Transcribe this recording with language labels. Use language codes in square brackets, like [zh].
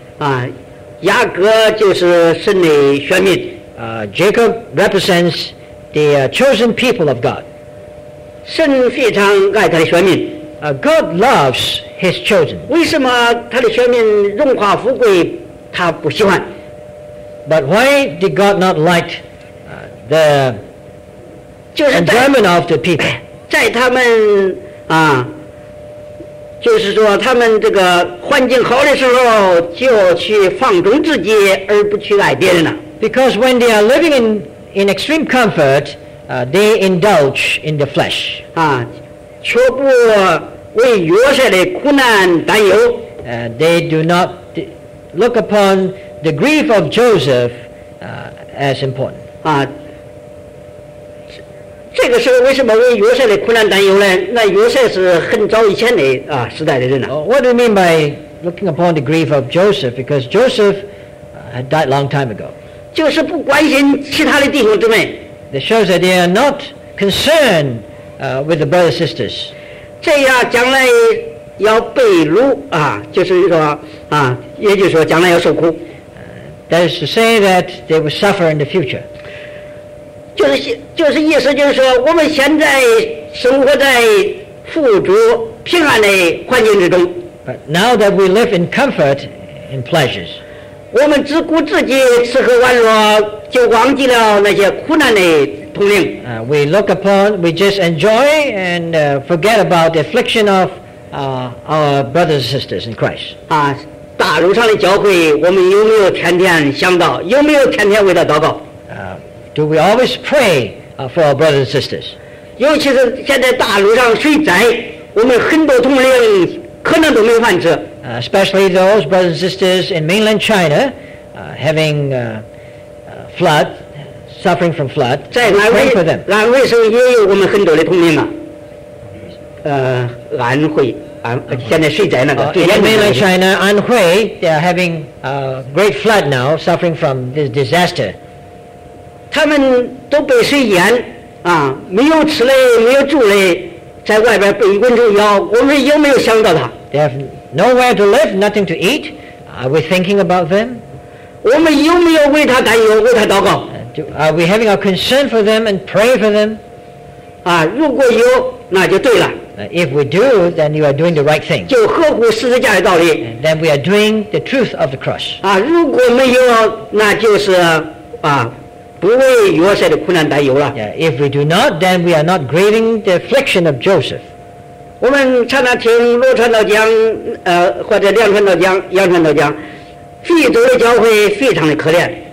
[zh] 啊，雅各就是神的选民。 [en] Jacob represents the chosen people of God。 [zh] 神非常爱他的选民。 [en] God loves his chosen。 [zh] 为什么他的选民荣华富贵他不喜欢？ [en] But why did God not like the enjoyment of the people？ [zh] 在他们啊，就是说他们这个环境好的时候就去放纵自己而不去爱别人了。 [en] Because when they are living in extreme comfort, they indulge in the flesh. [zh] 啊，却不为弱小的苦难担忧。 [en] They do not look upon the grief of Joseph, as important. [zh] 啊，这个时候为什么为约瑟的苦难担忧呢？那约瑟是很早以前的啊时代的人了。 [en] What do you mean by looking upon the grief of Joseph? Because Joseph had died long time ago. [zh] 就是不关心其他的弟兄姊妹。 [en] It shows that they are not concerned with the brothers and sisters. [zh] 这样将来要被掳啊，就是说啊，也就是说将来要受苦。 [en] That is to say that they will suffer in the future. [zh] 就是意思就是说，我们现在生活在富足平安的环境之中。 [en] But now that we live in comfort and pleasures, [zh] 我们只顾自己吃喝玩乐，就忘记了那些苦难的痛苦。 [en] We look upon, we just enjoy and forget about the affliction of our brothers and sisters in Christ. [zh] 啊，大路上的教会，我们有没有天天想到？有没有天天为他祷告？ [en] Do we always pray for our brothers and sisters? [zh] 尤其是现在大陆上水灾，我们很多同龄可能都没有饭吃。 [en] Especially those brothers and sisters in mainland China, having flood, suffering from flood. [zh] 在安徽，安徽省也有我们很多的同龄啊。安徽，现在水灾那个。 [en] In mainland China, Anhui, they are having a great flood now, suffering from this disaster. [zh] 他们都被水淹啊，没有吃的，没有住的，在外边被蚊虫咬。我们有没有想到他 [en] ？They have nowhere to live, nothing to eat. Are we thinking about them? [zh] 我们有没有为他担忧，为他祷告 [en] ？Are we having a concern for them and pray for them? [zh] 啊，如果有，那就对了。 [en] If we do, then you are doing the right thing. [zh] 就合乎十字架的道理。 [en] Then we are doing the truth of the cross. [zh] 啊，如果没有，那就是啊。不为约瑟的苦难担忧了。 [en] Yeah, if we do not, then we are not grieving the affliction of Joseph. [zh] 我们常常听罗传道讲，或者梁传道讲、杨传道讲，非洲的教会非常的可怜。